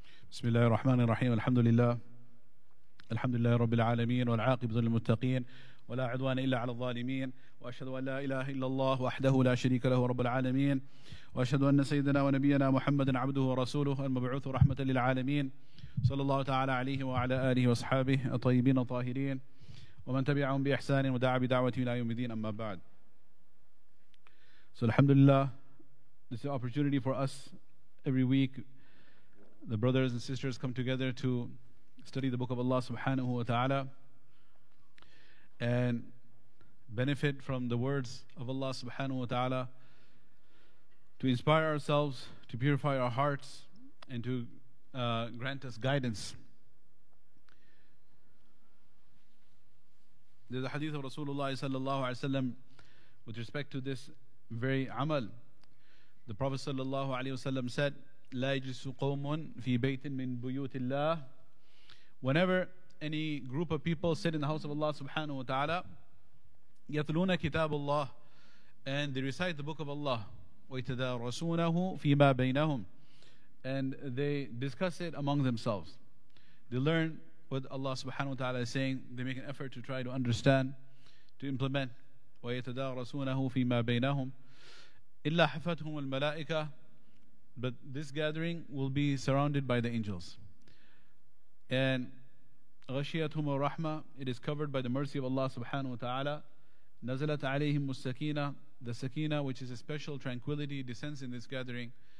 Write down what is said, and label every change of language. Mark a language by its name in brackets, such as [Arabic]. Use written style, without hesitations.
[Arabic] بسم الله الرحمن الرحيم الحمد لله الحمد لله رب العالمين والعاقبة للمتقين ولا عدوان إلا على الظالمين وأشهد أن لا إله إلا الله وحده لا شريك له رب العالمين وأشهد أن سيدنا ونبينا محمد عبده ورسوله المبعوث رحمة للعالمين صلى الله تعالى عليه وعلى آله وأصحابه الطيبين الطاهرين ومن تبعهم بإحسان ودعا بدعوته إلى يوم الدين أما بعد. [English] So alhamdulillah, this is an opportunity for us every week. The brothers and sisters come together to study the book of Allah subhanahu wa ta'ala and benefit from the words of Allah subhanahu wa ta'ala to inspire ourselves, to purify our hearts, and to grant us guidance. There's a hadith of Rasulullah sallallahu alayhi wa sallam with respect to this very amal. The Prophet sallallahu alayhi wa sallam said, [Arabic] لا يجلس قوم في بيت من بيوت الله. [English] Whenever any group of people sit in the house of Allah subhanahu wa ta'ala, [Arabic] يتلون كتاب الله, [English] and they recite the book of Allah, [Arabic] ويتدارسونه فيما بينهم, [English] and they discuss it among themselves. They learn what Allah subhanahu wa ta'ala is saying. They make an effort to try to understand, to implement. [Arabic] ويتدارسونه فيما بينهم إلا حفتهم الملائكة. [English] But this gathering will be surrounded by the angels. And [Arabic] غَشِيَتْهُمْ الرَّحْمَةُ, [English] it is covered by the mercy of Allah subhanahu wa ta'ala. [Arabic] نَزَلَتْ عَلَيْهِمْ السَّكِينَةُ, [English] the sakina, which is a special tranquility, descends in this gathering.